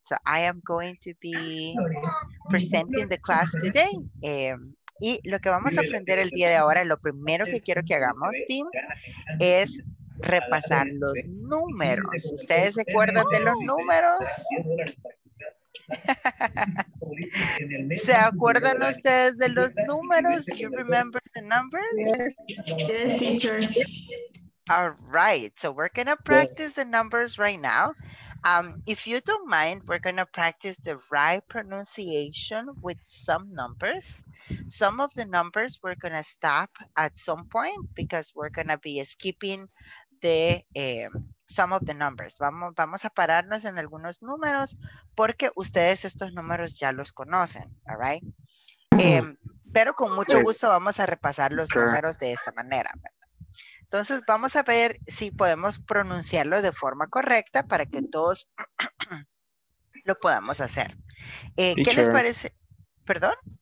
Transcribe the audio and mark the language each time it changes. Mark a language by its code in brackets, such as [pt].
[en] So I am going to be presenting the class today. [es] Y lo que vamos a aprender el día de ahora, lo primero que quiero que hagamos, Tim, es repasar los números. ¿Ustedes se acuerdan de los números? ¿Se acuerdan ustedes de los números? [en] Do you remember the numbers? Yes, teacher. All right, so we're gonna practice the numbers right now. If you don't mind, we're gonna practice the right pronunciation with some numbers. Some of the numbers we're gonna stop at some point because we're gonna be skipping the some of the numbers. [es] Vamos a pararnos en algunos números porque ustedes estos números ya los conocen, all right? Pero con mucho gusto vamos a repasar los números de esta manera, ¿verdad? Entonces vamos a ver si podemos pronunciarlo de forma correcta para que todos lo podamos hacer. ¿Qué les parece? ¿Perdón?